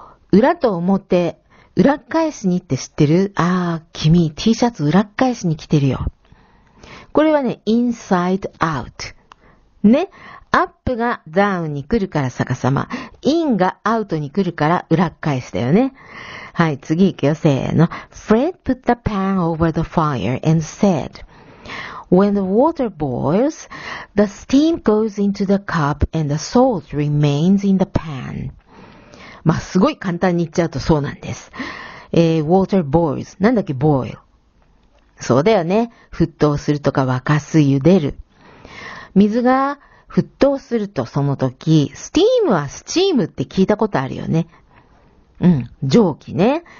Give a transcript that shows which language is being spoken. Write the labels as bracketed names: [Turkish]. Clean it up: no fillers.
[Japanese] 裏と表、裏返しにって知ってる？ああ、君、T シャツ裏返しに着てるよ。これはね、インサイドアウト。ね、アップがダウンに来るから逆さま。インがアウトに来るから裏返しだよね。はい、次行くよ、せーの。 [English] Fred put the pan over the fire and said, When the water boils, the steam goes into the cup and the salt remains in the pan. [Japanese] まあ、すごい簡単に言っちゃうとそうなんです。 [English] water boils。 [Japanese] なんだっけ、boil。そうだよね。沸騰するとか沸かす、茹でる。水が沸騰するとその時、steam はスチームって聞いたことあるよね。蒸気ね。